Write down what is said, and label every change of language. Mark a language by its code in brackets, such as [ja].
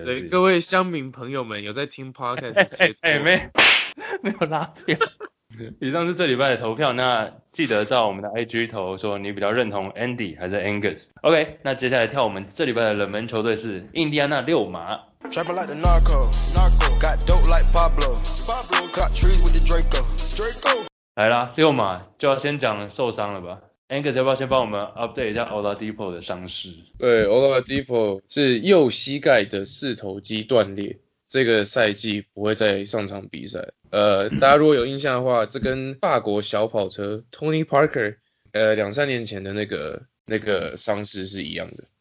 [zh] 对对，各位乡民朋友们有在听 podcast？没有拉票。以上是这礼拜的投票，那记得到我们的 IG 投说你比较认同 Andy 还是 Angus。 OK， 那接下来跳我们这礼拜的冷门球队是印第安纳六马。 [en] Trapping like the narco, got dope like Pablo, cut trees with the Draco. [zh] 来啦，六马就要先讲受伤了吧 ？Angus 要不要先帮我们 update 一下 Oladipo 的伤势？对 ，Oladipo 是右膝盖的四头肌断裂，这个赛季不会再上场比赛。大家如果有印象的话，这跟法国小跑车 Tony Parker 两三年前的那个伤势是一样的。